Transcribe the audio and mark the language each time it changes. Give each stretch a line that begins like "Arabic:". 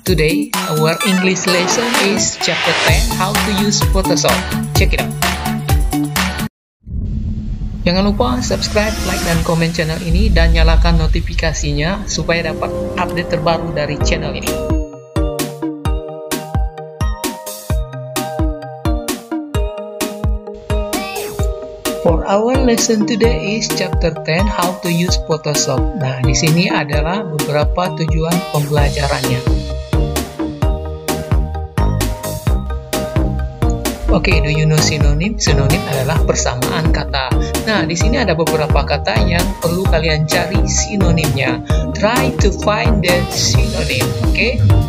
English: Today, our English lesson is chapter 10, how to use Photoshop. Check it out.
Indonesian: Jangan lupa subscribe, like, dan komen channel ini dan nyalakan notifikasinya supaya dapat update terbaru dari channel ini.
English: For our lesson today is chapter 10 how to use Photoshop.
Indonesian: Nah, di sini adalah beberapa tujuan pembelajarannya.
English: Okay, do you know synonym?
Indonesian: Synonym adalah persamaan kata. Nah, di sini ada beberapa kata yang perlu kalian cari sinonimnya.
English: Try to find the synonym, okay?